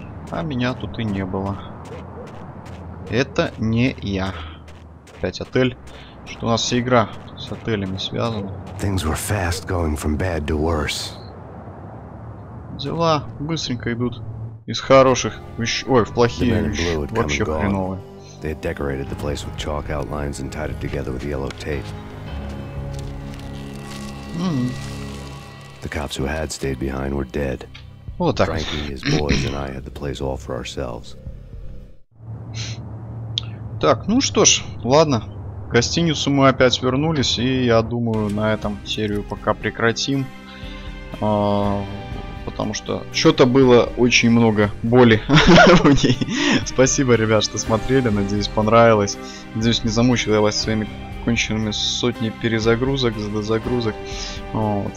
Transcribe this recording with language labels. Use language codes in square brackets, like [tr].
[ru] А меня тут и не было. Это не я. Опять отель. Что у нас вся игра с отелями связана? [en] Things were fast going from bad to worse. [ru] Дела быстренько идут из хороших в плохие вообще хреновые. [en] They had decorated the place with chalk outlines and tied it together with yellow tape. The cops who had stayed behind were dead. Well, [ru] так. [en] Frankie, his boys, and I had the place all for ourselves. [ru] Так, ну что ж, ладно. В гостиницу мы опять вернулись, и я думаю, на этом серию пока прекратим. Потому что что-то было очень много боли в ней. Спасибо, ребят, что смотрели. Надеюсь, понравилось. Надеюсь, не замучил я вас своими конченными сотнями перезагрузок, загрузок. Вот.